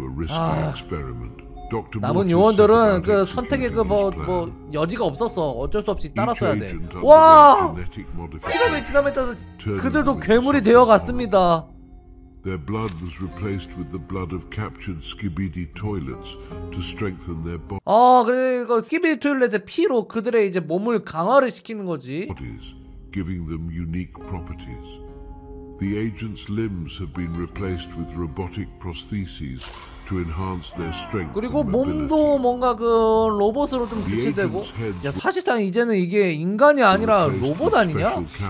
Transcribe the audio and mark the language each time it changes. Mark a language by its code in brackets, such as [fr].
[ko] 아, 남은 요원들은 그 선택의 그 뭐 여지가 없었어. 어쩔 수 없이 따랐어야 돼. 와! 실험의 지남에 따라서 그들도 괴물이 되어 갔습니다. [en] Their blood was replaced with the blood of captured Skibidi toilets to strengthen their bodies. [ko] 아, 그리고 Skibidi toilets의 피로 그들의 이제 몸을 강화를 시키는 거지. [en] Bodies, giving them unique properties. The agents' limbs have been replaced with robotic prostheses. to enhance their strength. [ko] 그리고 몸도 뭔가 그 로봇으로 좀 교체되고. 야, 사실상 이제는 이게 인간이 아니라 로봇 아니냐?